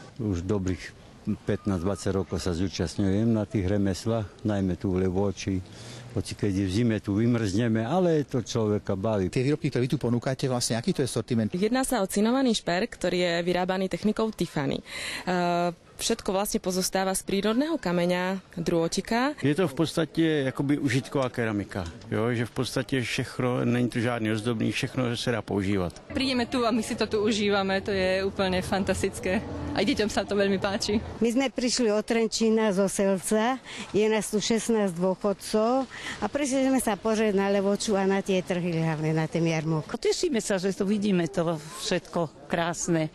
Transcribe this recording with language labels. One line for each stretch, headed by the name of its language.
Slovak: Už dobrých 15-20 rokov sa zúčastňujem na tých remeslách, najmä tu v Levoči. Hoci keď v zime tu vymrzneme, ale to človeka baví. Tie výrobky, ktoré vy tu ponúkate, vlastne aký to je sortiment? Jedná sa o cinovaný šper, ktorý je vyrábaný technikou Tiffany. Všetko vlastne pozostáva z prírodného kameňa, druotika.
Czech: Je to v podstate jakoby užitková keramika, jo? Že v podstate všechno, není to žádný ozdobný, všechno se dá používat.
Slovak: Prídeme tu a my si to tu užívame, to je úplne fantastické. A deťom sa to veľmi páči. My sme prišli od Trenčína zo Selca, je nás tu 16 dôchodcov a prišli sme sa pozrieť na Levoču a na tie trhy, hlavne na ten jarmok. Tešíme sa, že tu vidíme to všetko krásne.